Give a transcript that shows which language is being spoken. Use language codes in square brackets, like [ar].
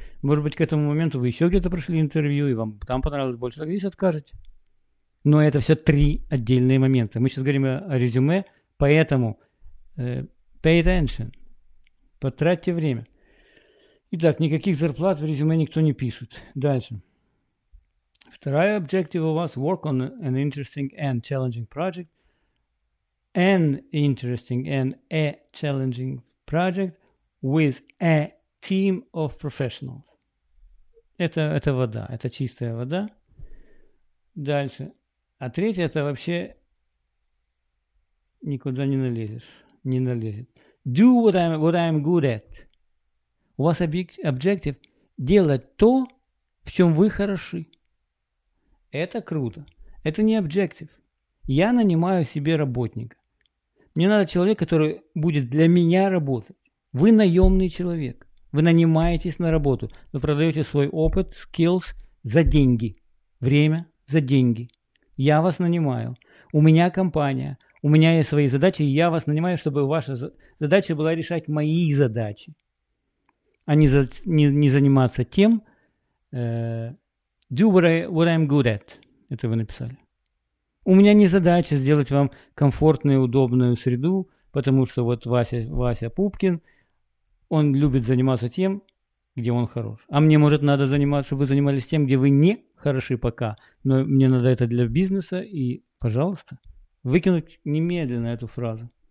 [ru] Может быть, к этому моменту вы еще где-то прошли интервью, и вам там понравилось больше. Так здесь откажете. Но это все три отдельные момента. Мы сейчас говорим о резюме, поэтому [en] pay attention. [ru] Потратьте время. Итак, никаких зарплат в резюме никто не пишет. Дальше. [en] Вторая objective [ru] у вас [en] – work on an interesting and challenging project. An interesting and a challenging project with a team of professionals. [ru] Это вода, это чистая вода. Дальше. А третье – это вообще никуда не налезешь, не налезет. [en] Do what I'm good at. [ru] У вас objective – делать то, в чем вы хороши. Это круто. Это не objective. Я нанимаю себе работника. Мне надо человек, который будет для меня работать. Вы наемный человек. Вы нанимаетесь на работу. Вы продаете свой опыт, skills за деньги. Время за деньги. Я вас нанимаю. У меня компания. У меня есть свои задачи. И я вас нанимаю, чтобы ваша задача была решать мои задачи. А не заниматься тем, [en] do what I'm good at. [ru] Это вы написали. У меня не задача сделать вам комфортную, удобную среду, потому что вот Вася Пупкин, он любит заниматься тем, где он хорош. А мне, может, надо заниматься, чтобы вы занимались тем, где вы не хороши пока. Но мне надо это для бизнеса. И, пожалуйста, выкинуть немедленно эту фразу.